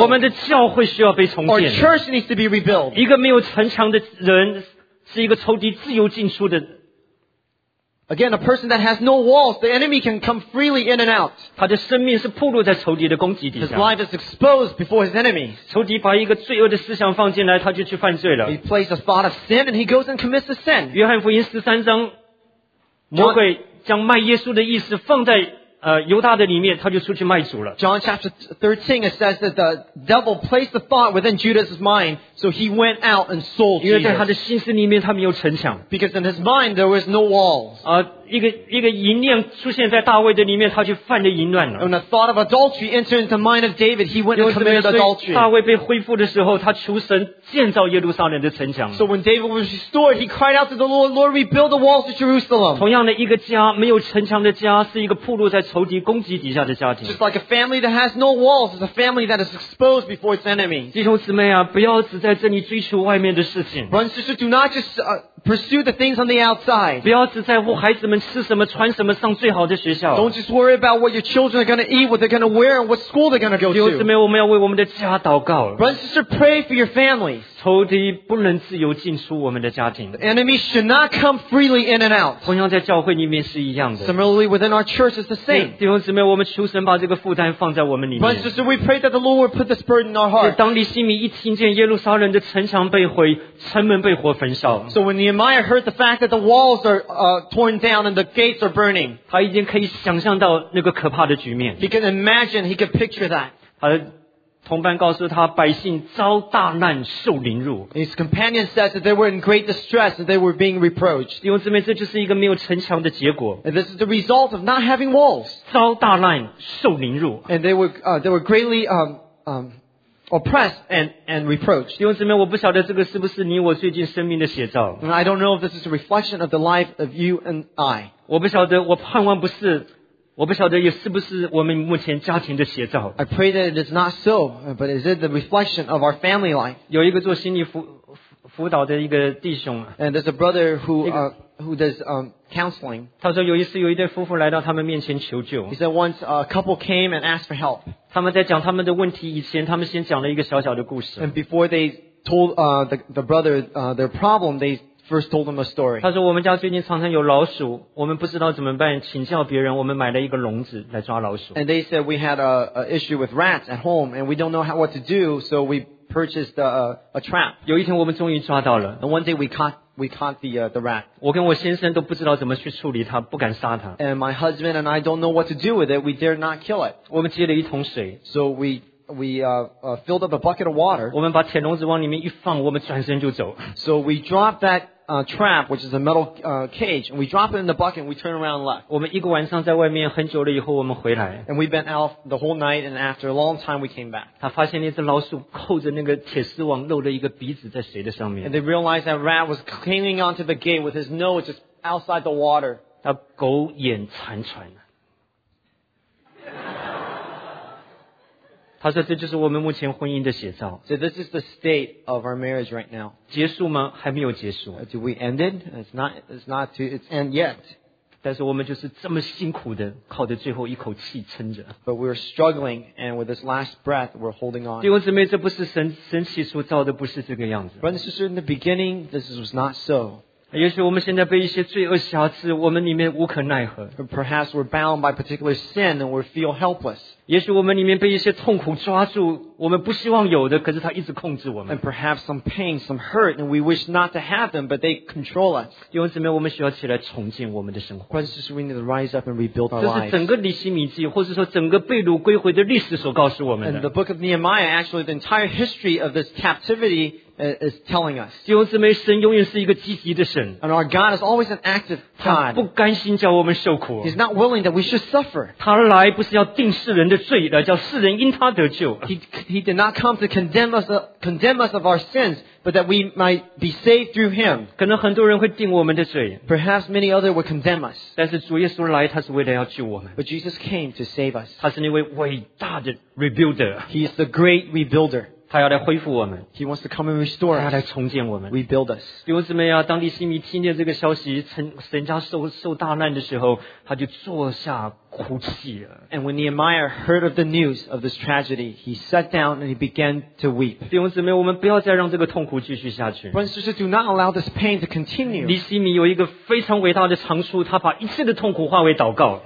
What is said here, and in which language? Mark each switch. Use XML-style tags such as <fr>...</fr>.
<zh>我们的教会需要被重建</zh> <en>our church needs to be rebuilt</en> <zh>一个没有城墙的人是一个仇敌自由进出的</zh> <en>Again, a person that has no walls, the enemy can come freely in and out.</en> <zh>他的生命是暴露在仇敌的攻击底下。</zh> <en>His life is exposed before his enemy.</en> <zh>仇敌把一个罪恶的思想放进来，他就去犯罪了。</zh> <en>He plays a thought of sin and he goes and commits a sin.</en> <zh>约翰福音十三章，魔鬼将卖耶稣的意思放在犹大的里面，他就出去卖主了。</zh> <en>John chapter 13 it says that the devil placed the thought within Judas's mind, So he went out and sold Jesus.</en> <zh>因为在他的心思里面他没有城墙。</zh> <en>Because in his mind there was no walls.</en> <zh>一个淫念出现在大卫的里面他去犯了淫乱了。</zh> <en>And the thought of adultery entered into the mind of David, he went and committed adultery.</en> <zh>大卫被恢复的时候他求神建造耶路撒冷的城墙。</zh> <en>So when David was restored, he cried out to the Lord, Lord, rebuild the walls of Jerusalem.</en> <zh>同样的一个家没有城墙的家是一个暴露在仇敌攻击底下的家庭。</zh> <en>Just like a family that has no walls is a family that is exposed before its enemies.</en> <zh>弟兄姊妹啊不要只在这里追求外面的事情。</zh> <en>Brothers and sisters, do not just, pursue the things on the outside.</en> <zh>不要只在乎孩子们吃什么穿什么上最好的学校。</zh> <en>Don't just worry about what your children are going to eat, what they're going to wear, and what school they're going to go to.</en> <zh>弟兄姊妹我们要为我们的家祷告。</zh> <en>Brothers and sisters, pray for your families.</en> <zh>仇敌不能自由进出我们的家庭。</zh> <en>The enemy should not come freely in and out.</en> <zh>同样在教会里面是一样的。</zh> <en>Similarly, within our church is the same.</en> <zh>弟兄姊妹我们求神把这个负担放在我们里面。</zh> <en>Brothers and sisters, we pray that the Lord will put this burden in our heart.</en> <zh>当利希米一听见耶路撒冷的城墙被毁城门被火焚烧。</zh> <en>So when Nehemiah heard the fact that the walls are torn down and the gates are burning.</en> <zh>他已经可以想象到那个可怕的局面。</zh> <en>He can imagine, he can picture that.</en> <zh>他的同伴告诉他百姓遭大难受凌辱。</zh> <en>His companion says that they were in great distress and they were being reproached.</en> <zh>弟兄姊妹这就是一个没有城墙的结果。</zh> <en>And this is the result of not having walls.</en> <zh>遭大难受凌辱。</zh> <en>And they were greatly, oppressed and reproached.</en> <zh>弟兄姊妹我不晓得这个是不是你我最近生命的写照。</zh> <en>And I don't know if this is a reflection of the life of you and I.</en> <zh>我不晓得我盼望不是我不晓得也是不是我们目前家庭的写照。</zh> <en>I pray that it is not so, but is it the reflection of our family life?</en> <zh>有一个做心理辅导的一个弟兄。</zh> <en>And there's a brother who does, counseling.</en> <zh>他说有一次有一对夫妇来到他们面前求救。</zh> <en>He said once a couple came and asked for help.</en> <zh>他们在讲他们的问题以前他们先讲了一个小小的故事。</zh> <en>And before they told, the brother, their problem, they first told him a story.</en> <zh>他说我们家最近常常有老鼠我们不知道怎么办请教别人我们买了一个笼子来抓老鼠。</zh> <en>And they said we had a issue with rats at home and we don't know what to do, so we purchased a trap.</en> <zh>有一天我们终于抓到了。</zh> <en>And one day we caught the rat.</en> <zh>我跟我先生都不知道怎么去处理它不敢杀它。</zh> <en>And my husband and I don't know what to do with it, we dare not kill it.</en> <zh>我们接了一桶水。</zh> <en>So we filled up a bucket of water.</en> <zh>我们把铁笼子往里面一放我们转身就走。</zh> <en>So we dropped that trap, which is a metal cage, and we drop it in the bucket and we turn around and left.</en> <zh>我们一个晚上在外面很久了以后我们回来。</zh> <en>And we've been out the whole night and after a long time we came back.</en> <zh>他发现那只老鼠扣着那个铁丝网露了一个鼻子在水的上面。</zh> <en>And they realized that rat was clinging onto the gate with his nose just outside the water.</en> <zh>他苟延残喘。他说这就是我们目前婚姻的写照。</zh> <en>So this is the state of our marriage right now.</en> <zh>结束吗？还没有结束。</zh> <en>Do we end it? It's not end yet.</en> <zh>但是我们就是这么辛苦的靠着最后一口气撑着。</zh> <en>But we're struggling and with this last breath we're holding on.</en> <zh>弟兄姊妹这不是神起初造的不是这个样子。</zh> <en>Brothers and sisters, in the beginning, this was not so.</en> <zh>也许我们现在被一些罪恶辖制我们里面无可奈何。</zh> <en>Perhaps we're bound by particular sin and we feel helpless.</en> <zh>也许我们里面被一些痛苦抓住我们不希望有的可是它一直控制我们。</zh> <en>And perhaps some pain, some hurt, and we wish not to have them, but they control us.</en> <zh>弟兄姊妹我们需要起来重建我们的生活。</zh> <en>Brothers and sisters, we need to rise up and rebuild our lives.</en> <zh>这是整个利希米记或者说整个被掳归回的历史所告诉我们的。</zh> <en>And the book of Nehemiah, actually the entire history of this captivity,is telling us.</en> <zh>弟兄姊妹神永远是一个积极的神。</zh> <en>And our God is always an active God.</en> <zh>他不甘心叫我们受苦。</zh> <en>He's not willing that we should suffer.</en> <zh>他来不是要定世人的罪来叫世人因他得救。</zh> <en>He did not come to condemn us of our sins, but that we might be saved through him.</en> <zh>可能很多人会定我们的罪。</zh> <en>Perhaps many others would condemn us.</en> <zh>但是主耶稣来他是为了要救我们。</zh> <en>But Jesus came to save us.</en> <zh>他是那位伟大的 rebuilder.</zh> <en>He is the great rebuilder.</en> <zh>他要来恢复我们。</zh> <en>He wants to come and restore us.</en> <zh>他要来重建我们。</zh> <en>Rebuild us.</en> <zh>弟兄姊妹啊，当利希米听见这个消息，神家受大难的时候，他就坐下哭泣了。</zh> <en>And when Nehemiah heard of the news of this tragedy, he sat down and he began to weep.</en> <zh>弟兄姊妹，我们不要再让这个痛苦继续下去。</zh> <en>Brothers and sisters, do not allow this pain to continue.</en> <zh>利希米有一个非常伟大的长处，他把一切的痛苦化为祷告。</zh>